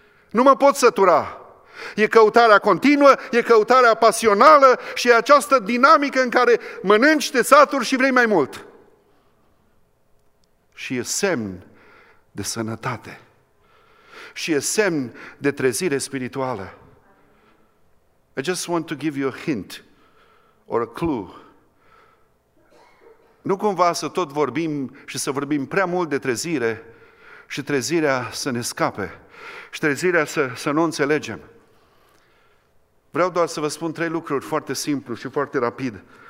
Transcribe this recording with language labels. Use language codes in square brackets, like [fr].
[ro] Nu mă pot sătura. E căutarea continuă, e căutarea pasională și e această dinamică în care mănânci, te saturi și vrei mai mult. Și e semn de sănătate. Și e semn de trezire spirituală. [en] I just want to give you a hint or a clue. [ro] Nu cumva să tot vorbim și să vorbim prea mult de trezire și trezirea să ne scape. Și trezirea să nu înțelegem. Vreau doar să vă spun trei lucruri foarte simplu și foarte rapid.